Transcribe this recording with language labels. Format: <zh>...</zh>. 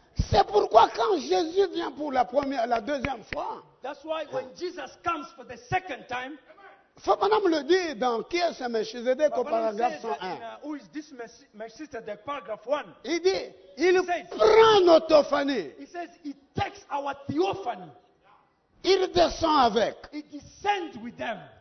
<fr>C'est pourquoi quand Jésus vient pour la deuxième fois,</fr> <en>that's why when Jesus comes for the second time,</en> <fr>faut pas me le dire dans qui est ce Melchizedek au paragraphe 101.</fr> <en>Who is this Melchizedek, paragraph 1?</en> <fr>Il dit, il prend notre théophanie.</fr> <en>He says he takes our theophany.</en> <fr>Il descend avec.</fr> <en>He descends with them.</en>